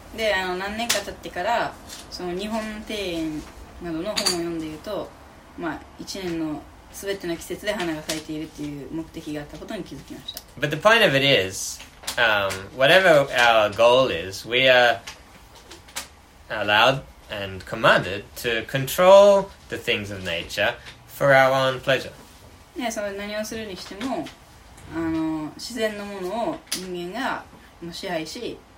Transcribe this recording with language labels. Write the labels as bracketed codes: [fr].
[ja] で、何年か経ってからその日本庭園などの本を読んでいると、まあ、一年の全ての季節で花が咲いているっていう目的があったことに気づきました。 [en] But the point of it is, whatever our goal is, we are allowed and commanded to control the things of nature for our own pleasure. [ja] で、その何をするにしても、自然のものを人間が支配し